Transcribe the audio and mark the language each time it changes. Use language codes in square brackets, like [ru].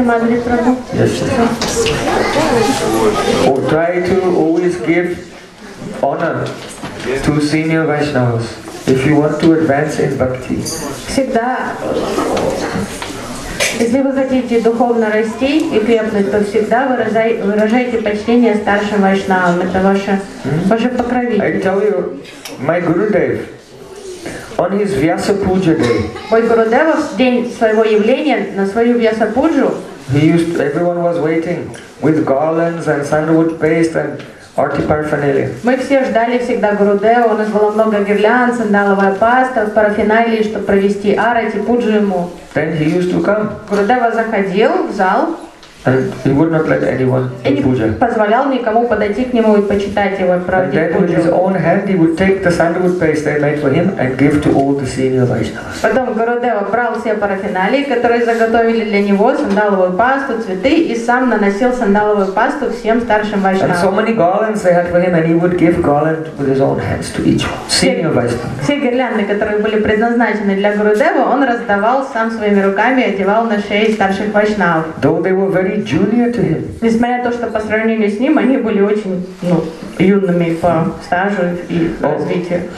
[ru] Эмадри, пожалуйста. [en] Yes. Or try to always give honor to senior Vaishnavas if you want to advance in bhakti. [ru] Всегда. Если вы хотите духовно расти и крепнуть, то всегда выражайте почтение старшим вайшнавам. Это ваше покровитель. [en] I tell you, my Gurudev, on his Vyasa Puja day, [ru] мой Гурудев в день своего явления, на свою Вьяса Пуджу, [en] everyone was waiting with garlands and sandalwood paste and Arti paraphernalia. [ru] Мы все ждали всегда Гуру Дева. У нас было много гирлянд, сандаловая паста, парафиналии, чтобы провести арати, пуджу ему. [en] Then he used to come. [ru] Гуру Дева заходил в зал. [en] And he would not let anyone in puja. [ru] И не позволял никому подойти к нему и почитать его правди пуджу. [en] And then with his own hand he would take the sandalwood paste they made for him and give to all the senior Vaishnavas. [ru] Потом Гуру Дева брал все парафиналии, которые заготовили для него, сандаловую пасту, цветы, и сам наносил сандаловую пасту всем старшим Вайшнавам. [en] And so many garlands they had for him, and he would give garland with his own hands to each one. Senior Vaishnava. [ru] Все гирлянды, которые были предназначены для Гуру Дева, он раздавал сам своими руками, одевал на шеи старших Вайшнав. [en] Very junior to him. [ru] Несмотря на то, что по сравнению с ним они были очень юными по стажу и развитию.